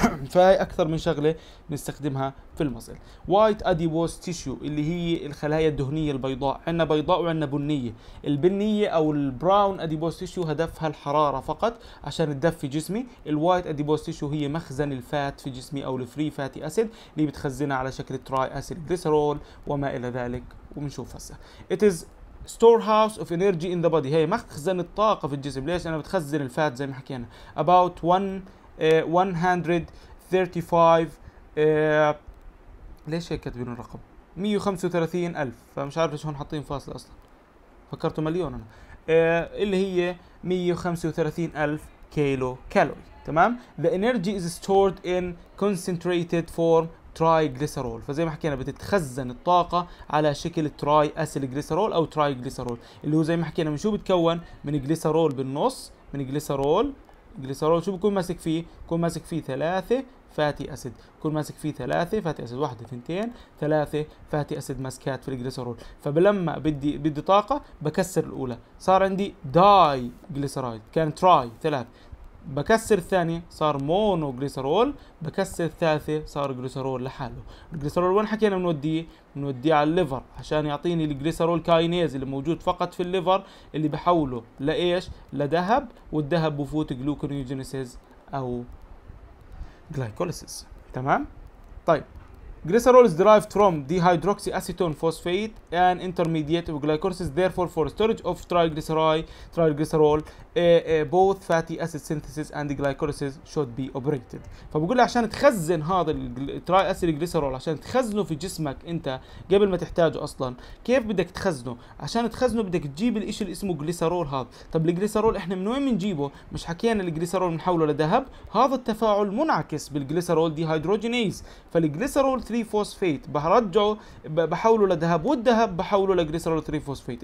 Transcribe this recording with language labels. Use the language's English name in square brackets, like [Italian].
[Arabic] فهي اكثر من شغله بنستخدمها في المصل. وايت اديبوس تيشو اللي هي الخلايا الدهنيه البيضاء، عندنا بيضاء وعندنا بنيه. البنيه او البراون اديبوس تيشو هدفها الحراره فقط عشان تدفي جسمي، الوايت اديبوس تيشو هي مخزن الفات في جسمي او الفري فاتي اسيد اللي بتخزنها على شكل تراي اسيد جليسرول وما الى ذلك، وبنشوف هسه. [English] It is storehouse of energy in the body. [Arabic] هي مخزن الطاقة في الجسم. ليش؟ أنا بتخزن الفات زي ما حكينا. About 135 ليش هيك كاتبين الرقم؟ 135 ألف، فمش عارف ليش هون حاطين فاصلة أصلا، فكرته مليون أنا. اللي هي 135 ألف كيلو كالوري. تمام؟ [English] The energy is stored in concentrated form [Arabic] تراي جليسرول. فزي ما حكينا بتتخزن الطاقه على شكل تراي اسيل جليسرول او تراي جليسرول، اللي هو زي ما حكينا من شو بتكون؟ من جليسرول بالنص، من جليسرول. جليسرول شو بكون ماسك فيه؟ بكون ماسك فيه ثلاثه فاتي اسيد، بكون ماسك فيه ثلاثه فاتي اسيد، واحده اثنتين ثلاثه فاتي اسيد ماسكات في الجليسرول. فلما بدي طاقه بكسر الاولى، صار عندي داي جليسرايد، كان تراي ثلاث، بكسر الثانية صار مونو جليسرول، بكسر الثالثة صار جليسرول لحاله. الجليسرول وين حكينا بنوديه؟ بنوديه على الليفر عشان يعطيني الجليسرول كاينيز اللي موجود فقط في الليفر، اللي بحوله لإيش؟ لذهب، والذهب بفوت جلوكونيوجينيسيز أو جلايكوليسيس. تمام؟ طيب [English] glycerol is derived from dehydroxyacetone phosphate and intermediate of glycolysis, therefore for storage of triglycerol both fatty acid synthesis and glycolysis should be operated. [Arabic] فبقول لي عشان تخزن هذا التراي اسيل جليسرول، عشان تخزنه في جسمك انت قبل ما تحتاجه اصلا، كيف بدك تخزنه؟ عشان تخزنه بدك تجيب الاشي اللي اسمه جليسرول هذا. طب الجليسرول احنا من وين بنجيبه؟ مش حكينا الجليسرول بنحوله لذهب؟ هذا التفاعل منعكس بالجليسرول ديهايدروجينيز، فالجليسرول 3 فوسفيت بحرجعه بحوله لذهب، والذهب بحوله لجليسرول 3 فوسفيت.